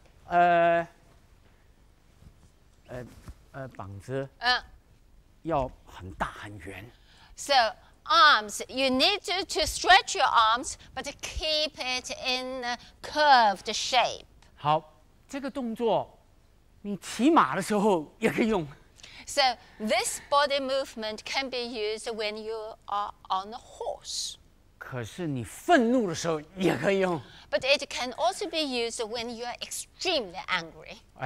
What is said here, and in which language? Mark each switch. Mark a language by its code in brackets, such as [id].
[en] So, arms, you need to stretch your arms, but keep it in a curved shape. [zh] 好，这个动作。你骑马的时候也可以用. [en] So this body movement can be used when you are on a horse. [zh] 可是你愤怒的时候也可以用. [en] But it can also be used when you are extremely angry.